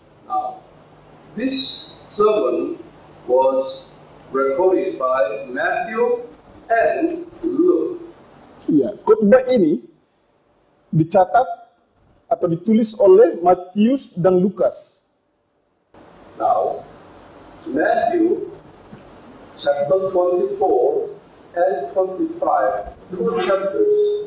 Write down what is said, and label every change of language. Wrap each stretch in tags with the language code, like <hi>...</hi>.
<en>Now, this sermon was recorded by Matthew and Luke.</en> <id>Ya, khotbah ini dicatat atau ditulis oleh Matius dan Lukas.</id> <en>Now, Matthew chapter 24 and 25, 2 chapters.</en>